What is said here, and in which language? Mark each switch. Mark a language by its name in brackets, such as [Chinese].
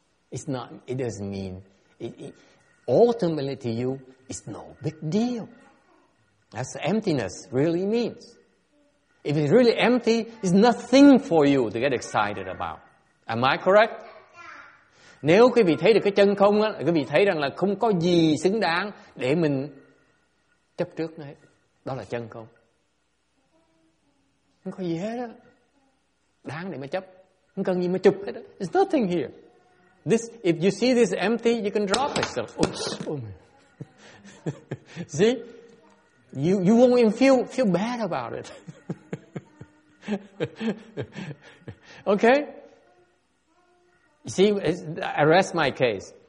[English] It's not, it doesn't mean, ultimately to you, it's no big deal. That's what emptiness really means. If it's really empty, it's nothing for you to get excited about. Am I correct? [Vietnamese] Nếu quý vị thấy được cái chân không á, quý vị thấy rằng là không có gì xứng đáng để mình chấp trước nó hết. Đó là chân không. Không có gì hết á. Đáng để mà chấp. Không cần gì mà chụp hết á. [English] There's nothing here. This, if you see this empty, you can drop it. So, see? You won't even feel bad about it. Okay? See, I rest my case.